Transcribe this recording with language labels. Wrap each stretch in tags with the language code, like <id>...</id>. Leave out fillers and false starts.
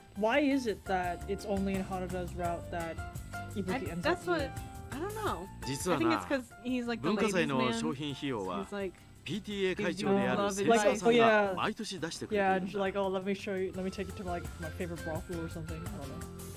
<en>Why is it that it's only in Haruda's route that Ibuki ends up here? That's what, I don't know.</en> <ja>実はな、文化祭の商品費用は、PTA 会長である先生さんが毎年出してくれているんだ。</ja> <en>Yeah, like, oh, let me show you, let me take you to like, my favorite brothel or something, I don't know.</en>